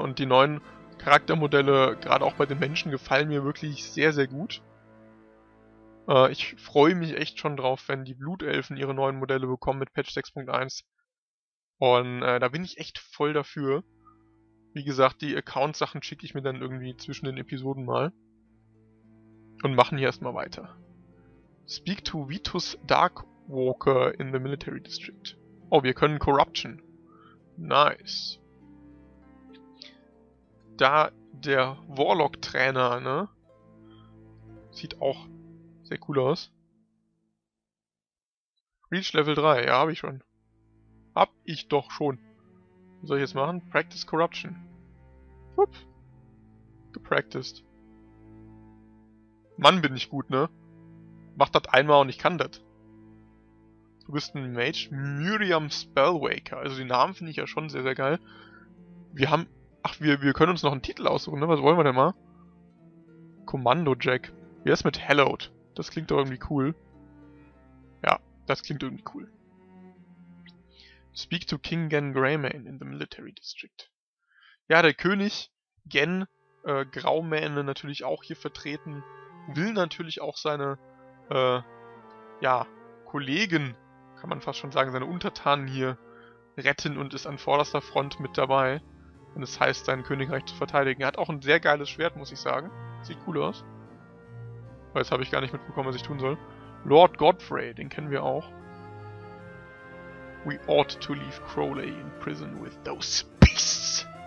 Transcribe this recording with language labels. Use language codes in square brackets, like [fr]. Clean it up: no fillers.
[de] Und die neuen Charaktermodelle, gerade auch bei den Menschen, gefallen mir wirklich sehr, sehr gut. Ich freue mich echt schon drauf, wenn die Blutelfen ihre neuen Modelle bekommen mit Patch 6.1. Und da bin ich echt voll dafür. Wie gesagt, die Account-Sachen schicke ich mir dann irgendwie zwischen den Episoden mal. Und machen hier erstmal weiter. [en] Speak to Vitus Darkwalker in the Military District. [de] Oh, wir können Corruption. Nice. Da der Warlock-Trainer, ne? Sieht auch sehr cool aus. [en] Reach Level 3, [de] ja, hab ich schon. Hab ich doch schon. Was soll ich jetzt machen? [en] Practice Corruption. [de] Hup. Gepracticed. Mann, bin ich gut, ne? Mach das einmal und ich kann das. Du bist ein Mage. Miriam Spellwaker. Also die Namen finde ich ja schon sehr, sehr geil. Wir haben... Ach, wir können uns noch einen Titel aussuchen, ne? Was wollen wir denn mal? Kommando Jack. Wie ist mit Hallowed? Das klingt doch irgendwie cool. Ja, das klingt irgendwie cool. [en] Speak to King Gen Greymane in the Military District. [de] Ja, der König Gen Graumane natürlich auch hier vertreten. Will natürlich auch seine, Kollegen, kann man fast schon sagen, seine Untertanen hier retten und ist an vorderster Front mit dabei. Und es heißt, sein Königreich zu verteidigen. Er hat auch ein sehr geiles Schwert, muss ich sagen. Sieht cool aus. Aber jetzt habe ich gar nicht mitbekommen, was ich tun soll. Lord Godfrey, den kennen wir auch. [en] We ought to leave Crowley in prison with those beasts.